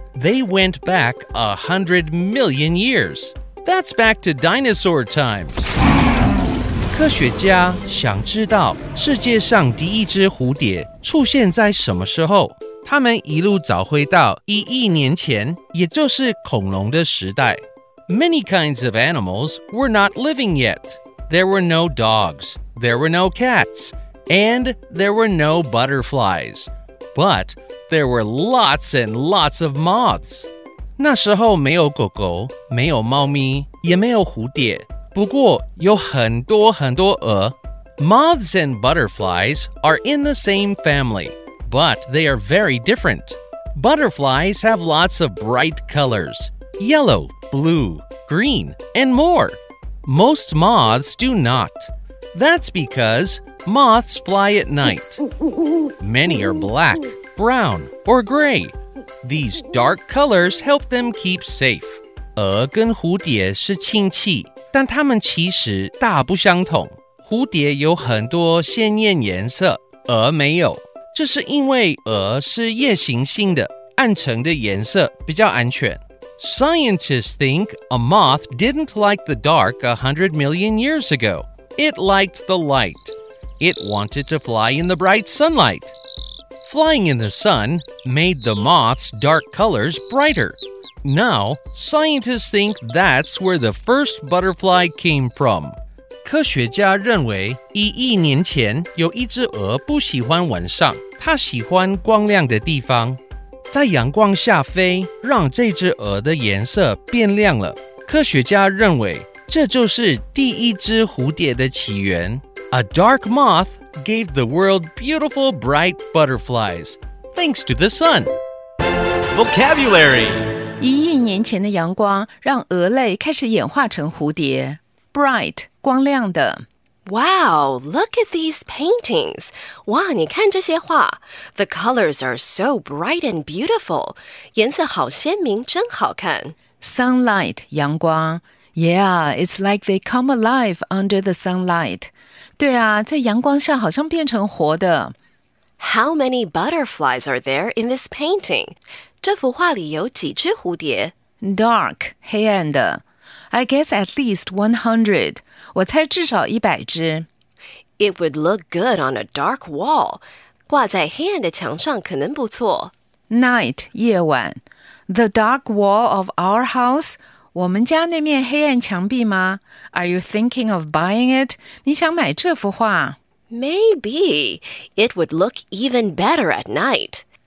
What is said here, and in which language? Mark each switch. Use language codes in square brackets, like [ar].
[en] They went back 100 million years. That's back to dinosaur times. [zh] 科学家想知道世界上第一只蝴蝶出现在什么时候？他们一路找回到一亿年前，也就是恐龙的时代。 [en] Many kinds of animals were not living yet. There were no dogs, there were no cats, and there were no butterflies. But there were lots and lots of moths. [zh] 那时候没有狗狗，没有猫咪，也没有蝴蝶，不过有很多很多蛾。 [en] Moths and butterflies are in the same family. But they are very different. Butterflies have lots of bright colors. Yellow, blue, green, and more. Most moths do not. That's because moths fly at night. Many are black, brown, or gray. These dark colors help them keep safe. [zh] 蛾跟蝴蝶是亲戚，但它们其实大不相同。蝴蝶有很多鲜艳颜色，蛾没有。这是因为蛾是夜行性的，暗沉的颜色比较安全。 [en] Scientists think a moth didn't like the dark 100 million years ago. It liked the light. It wanted to fly in the bright sunlight. Flying in the sun made the moth's dark colors brighter. Now, scientists think that's where the first butterfly came from. [zh] 科学家认为一亿年前有一只蛾不喜欢晚上，它喜欢光亮的地方，在阳光下飞让这只蛾的颜色变亮了。科学家认为这就是第一只蝴蝶的起源。 [en] A dark moth gave the world beautiful bright butterflies thanks to the sun. Vocabulary [zh] 一亿年前的阳光让蛾类开始演化成蝴蝶。 Bright光亮的。 [en] Wow, look at these paintings. [zh] 哇，你看这些画。 [en] The colors are so bright and beautiful. [zh] 颜色好鲜明，真好看。 Sunlight, 阳光。 [en] Yeah, it's like they come alive under the sunlight. [zh] 对啊，在阳光下好像变成活的。 [en] How many butterflies are there in this painting? [zh] 这幅画里有几只蝴蝶？ [en] Dark, [zh] 黑暗的。 [en] I guess at least 100. [zh] 我猜至少一百只。 [en] It would look good on a dark wall. [zh] 挂在黑暗的墙上可能不错。 [en] Night, [zh] 夜晚。 [en] The dark wall of our house? [zh] 我们家那面黑暗墙壁吗？ [en] Are you thinking of buying it? [zh] 你想买这幅画？ [en] Maybe. It would look even better at night.